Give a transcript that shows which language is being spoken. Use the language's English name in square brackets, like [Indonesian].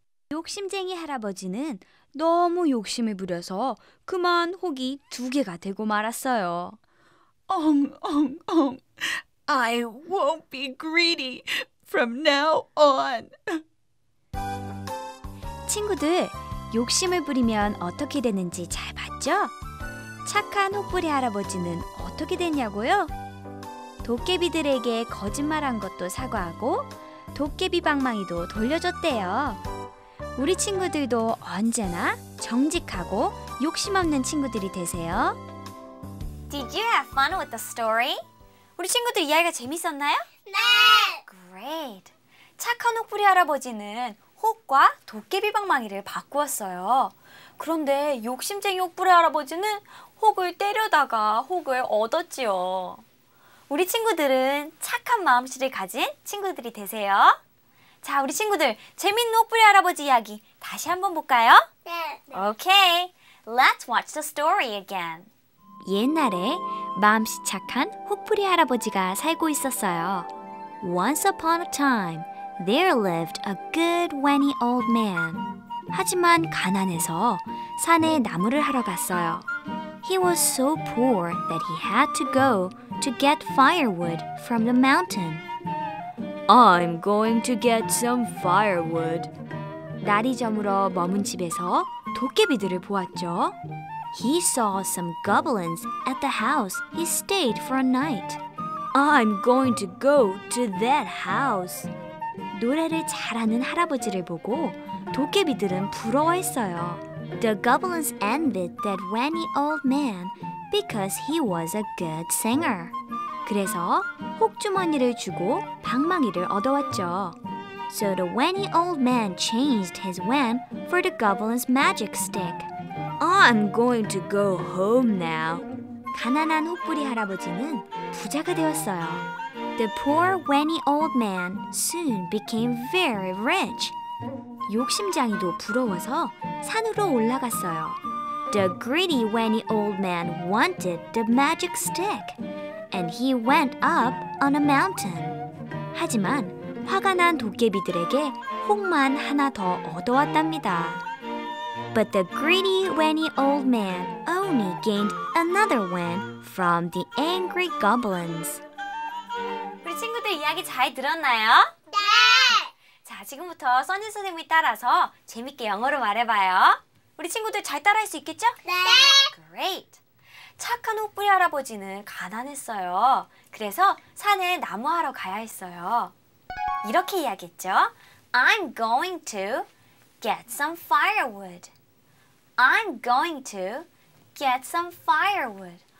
[Korean] 욕심쟁이 할아버지는 너무 욕심을 부려서 그만 혹이 두 개가 되고 말았어요. [English] 엉엉엉, I won't be greedy from now on. [Korean] 친구들, 욕심을 부리면 어떻게 되는지 잘 봤죠? 착한 혹부리 할아버지는 어떻게 됐냐고요? 도깨비들에게 거짓말한 것도 사과하고 도깨비 방망이도 돌려줬대요. 우리 친구들도 언제나 정직하고 욕심 없는 친구들이 되세요. [English] Did you have fun with the story? [Korean] 우리 친구들 이야기가 재밌었나요? 네! [English] Great! [Korean] 착한 혹부리 할아버지는 혹과 도깨비 방망이를 바꾸었어요. 그런데 욕심쟁이 혹부리 할아버지는 혹을 때려다가 혹을 얻었지요. 우리 친구들은 착한 마음씨를 가진 친구들이 되세요. 자, 우리 친구들 재밌는 혹부리 할아버지 이야기 다시 한번 볼까요? 네. [English] Okay, let's watch the story again. [Korean] 옛날에 마음씨 착한 혹부리 할아버지가 살고 있었어요. [English] Once upon a time, there lived a good wenny old man. [Korean] 하지만 가난해서 산에 나무를 하러 갔어요. [English] He was so poor that he had to go to get firewood from the mountain. I'm going to get some firewood. [Korean] 날이 저물어 머문 집에서 도깨비들을 보았죠. [English] He saw some goblins at the house he stayed for a night. I'm going to go to that house. [Korean] 노래를 잘하는 할아버지를 보고 도깨비들은 부러워했어요. [English] The goblins envied that wenny old man because he was a good singer. [Korean] 그래서 혹주머니를 주고 방망이를 얻어왔죠. [English] So the wenny old man changed his wen for the goblin's magic stick. I'm going to go home now. [Korean] 가난한 혹부리 할아버지는 부자가 되었어요. [English] The poor wenny old man soon became very rich. [Korean] 욕심쟁이도 부러워서 산으로 올라갔어요. [English] The greedy wenny old man wanted the magic stick, and he went up on a mountain. [Korean] 하지만 화가 난 도깨비들에게 혹만 하나 더 얻어왔답니다. [English] But the greedy wenny old man only gained another wen from the angry goblins. [Korean] 우리 친구들 이야기 잘 들었나요? 자, 지금부터 써니 선생님이 따라서 재밌게 영어로 말해봐요. 우리 친구들 잘 따라할 수 있겠죠? 네! [English] Great! [Korean] 착한 혹부리 할아버지는 가난했어요. 그래서 산에 나무하러 가야 했어요. 이렇게 이야기했죠. [English] I'm going to get some firewood. I'm going to get some firewood.